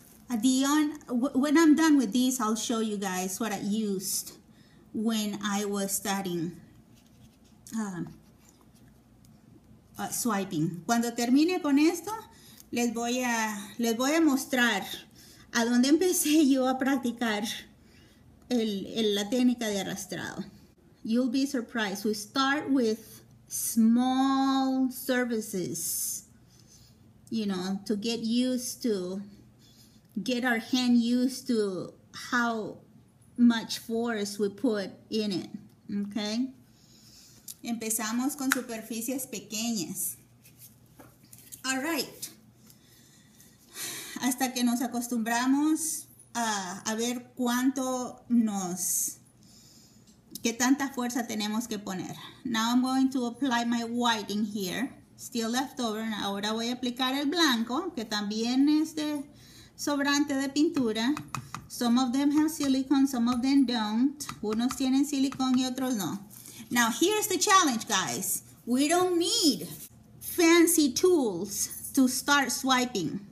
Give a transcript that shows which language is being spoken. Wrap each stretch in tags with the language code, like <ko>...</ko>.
<en>When I'm done with this, I'll show you guys what I used when I was studying swiping.</en> <es>Cuando termine con esto, les voy a mostrar a dónde empecé yo a practicar la técnica de arrastrado.</es> <en>You'll be surprised. We start with small surfaces, you know, to get used to, get our hand used to how much force we put in it, okay?</en> <es>Empezamos con superficies pequeñas.</es> <en>All right.</en> <es>Hasta que nos acostumbramos a ver cuánto nos, qué tanta fuerza tenemos que poner.</es> <en>Now I'm going to apply my white in here, still left over.</en> <es>Ahora voy a aplicar el blanco, que también es de sobrante de pintura.</es> <en>Some of them have silicone, some of them don't.</en> <es>Unos tienen silicone y otros no.</es> <en>Now here's the challenge, guys. We don't need fancy tools to start swiping.</en>